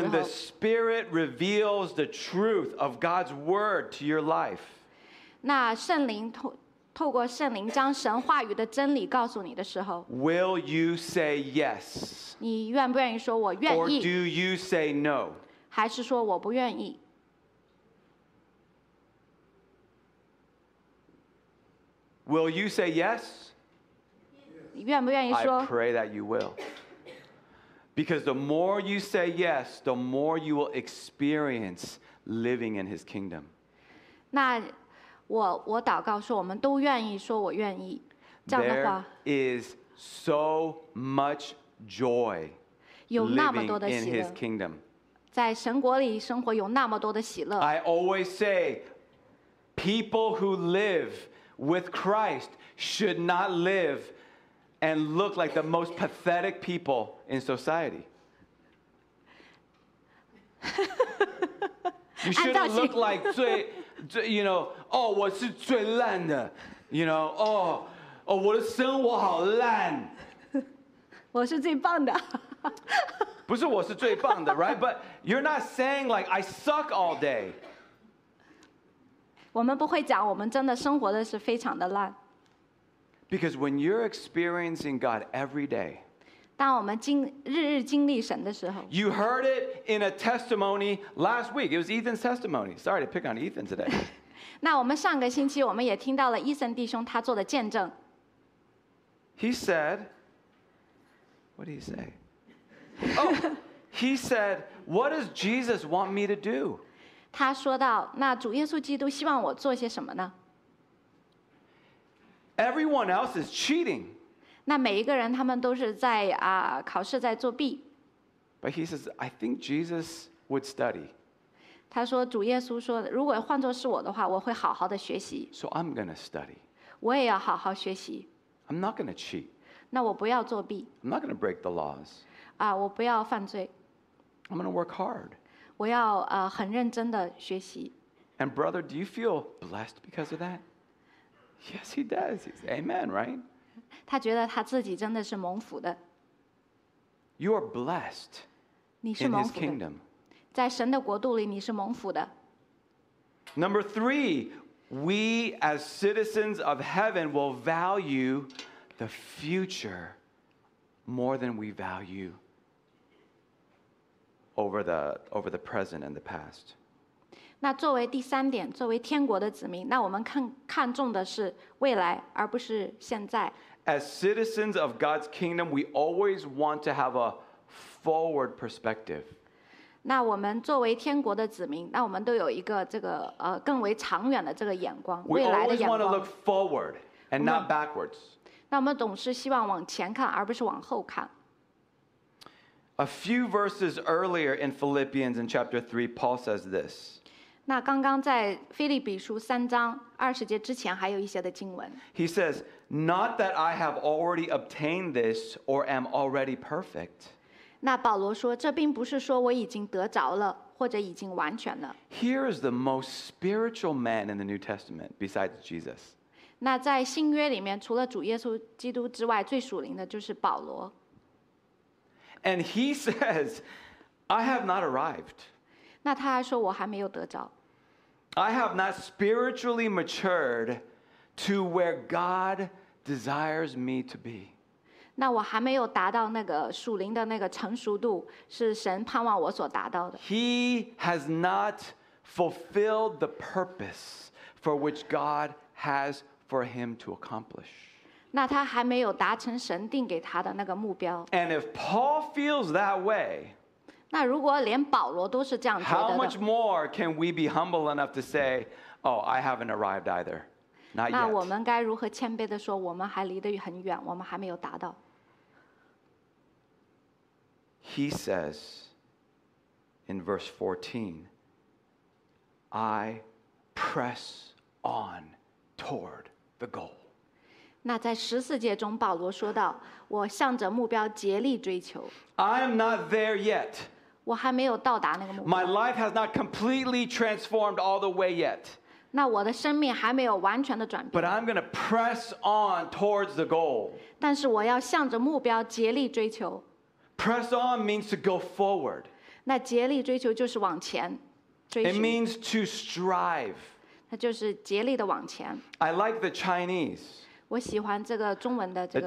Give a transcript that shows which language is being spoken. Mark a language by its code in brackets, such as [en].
[en] when the Spirit reveals the truth of God's Word to your life, [zh] 那圣灵透过圣灵将神话语的真理告诉你的时候， [en] Will you say yes? [zh] 你愿不愿意说我愿意？ [en] Or do you say no? [zh] 还是说我不愿意？ [en] Will you say yes? [zh] 你愿不愿意说？ [en] I pray that you will. Because the more you say yes, the more you will experience living in His kingdom. [zh] 那我祷告说我们都愿意说我愿意，这样的话 [en] There is so much joy living in His kingdom. [zh] 在神国里生活有那么多的喜乐。 [en] I always say people who live with Christ should not live and look like the most pathetic people in society. You shouldn't look like [zh] 最 [en] You know, oh, [zh] 我是最烂的 [en] You know, oh, oh, [zh] 我的生活好烂我是最棒的不是我是最棒的 [en] right? But you're not saying like, I suck all day. [zh] 我们不会讲我们真的生活的是非常的烂 [en] Because when you're experiencing God every day, [zh] 当我们日日经历神的时候 [en] You heard it in a testimony last week. It was Ethan's testimony. Sorry to pick on Ethan today. [zh] 那我们上个星期我们也听到了 Ethan 弟兄他做的见证。 [en] He said, what did he say? Oh, he said, what does Jesus want me to do? [zh] 他说到那主耶稣基督希望我做些什么呢？ [en] Everyone else is cheating. [zh] 那每一个人他们都是在考试在作弊。 [en] But he says, I think Jesus would study. [zh] 他说主耶稣说如果换作是我的话我会好好的学习。 [en] So I'm going to study. [zh] 我也要好好学习。 [en] I'm not going to cheat. [zh] 那我不要作弊。 [en] I'm not going to break the laws. [zh] 我不要犯罪。 [en] I'm going to work hard. [zh] 我要很认真的学习。 [en] And brother, do you feel blessed because of that? Yes, he does. He says, Amen, right? [zh] 他觉得他自己真的是蒙福的。 [en] You are blessed in His kingdom. [zh] 在神的国度里，你是蒙福的。 [en] Number three, we as citizens of heaven will value the future more than we value over the present and the past. [zh] 那作为第三点，作为天国的子民，那我们看重的是未来，而不是现在。 [en] As citizens of God's kingdom, we always want to have a forward perspective. [zh] 那我们作为天国的子民，那我们都有一个这个更为长远的这个眼光，未来的眼光。 [en] We always want to look forward and not backwards. [zh] 那我们总是希望往前看，而不是往后看。 [en] A few verses earlier in Philippians in chapter 3, Paul says this. [zh] 那刚刚在腓立比书三章二十节之前还有一些的经文。 [en] He says,Not that I have already obtained this or am already perfect. [zh] 那保罗说，这并不是说我已经得着了，或者已经完全了。 [en] Here is the most spiritual man in the New Testament besides Jesus. [zh] 那在新约里面，除了主耶稣基督之外，最属灵的就是保罗。 [en] And he says, I have not arrived. [zh] 那他还说，我还没有得着。 [en] I have not spiritually matured. To where God desires me to be. [zh] 那我还没有达到那个属灵的那个成熟度，是神盼望我所达到的。 [en] He has not fulfilled the purpose for which God has for him to accomplish. [zh] 那他还没有达成神定给他的那个目标。 [en] And if Paul feels that way, [zh] 那如果连保罗都是这样觉得的 [en] How much more can we be humble enough to say, Oh, I haven't arrived either? Not yet. [zh] 那我们该如何谦卑地说我们还离得很远我们还没有达到 [en] He says in verse 14, I press on toward the goal. [zh] 那在十四节中，保罗说到：“我向着目标竭力追求。” [en] I am not there yet. [zh] 我还没有到达那个目标。 [en] My life has not completely transformed all the way yet. [zh] 那我的生命还没有完全的转变。 [en] But I'm going to press on towards the goal. [zh] 但是我要向着目标竭力追求。 [en] Press on means to go forward. [zh] 那竭力追求就是往前追寻。 [en] It means to strive. [zh] 那就是竭力的往前。 [en] I like the Chinese. [zh] 我喜欢这个中文的这个。